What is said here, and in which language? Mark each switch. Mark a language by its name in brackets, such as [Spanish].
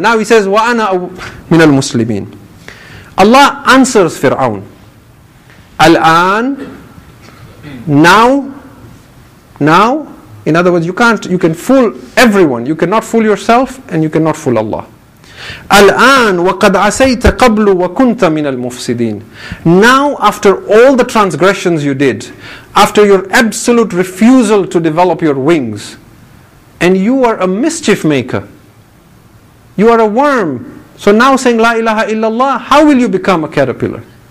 [English] Now he says, [Arabic] وَأَنَا مِنَ الْمُسْلِمِينَ. [English] Allah answers Fir'aun. Al-an, now, in other words, you can fool everyone. You cannot fool yourself and you cannot fool Allah. [Arabic] Al-an, وَقَدْ عَسَيْتَ قَبْلُ وَكُنْتَ مِنَ الْمُفْسِدِينَ. [English] Now, after all the transgressions you did, after your absolute refusal to develop your wings, and you are a mischief maker, you are a worm, so now saying La ilaha illallah, how will you become a caterpillar?